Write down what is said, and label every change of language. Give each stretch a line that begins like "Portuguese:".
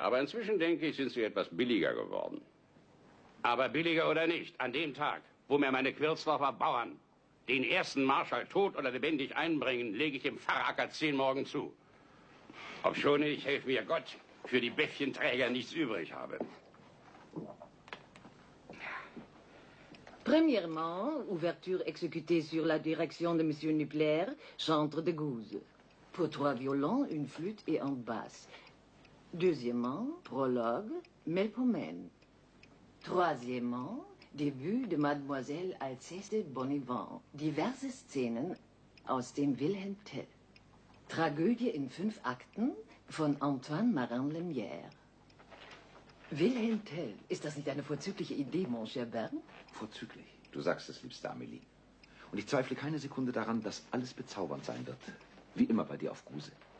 German: Aber inzwischen, denke ich, sind sie etwas billiger geworden. Aber billiger oder nicht, an dem Tag, wo mir meine Quirzdorfer Bauern den ersten Marschall tot oder lebendig einbringen, lege ich dem Pfarracker 10 Morgen zu. Obschon ich, helf mir Gott, für die Bäffchenträger nichts übrig habe.
French: Premièrement, ouverture exécutée sur la direction de Monsieur Nupler, Chantre de Gouze. Pour trois violons, une flûte et un basse. Deuxièmement, prologue, Melpomène. Troisièmement, début de Mademoiselle Alceste Bonnivant.
German: Diverse Szenen aus dem Wilhelm Tell. Tragödie in fünf Akten von Antoine Marin-Lemierre. Wilhelm Tell, ist das nicht eine vorzügliche Idee,
French: mon cher
German: Bern? Vorzüglich, du sagst es, liebste Amelie. Und ich zweifle keine Sekunde daran, dass alles bezaubernd sein wird. Wie immer bei dir auf Gruse.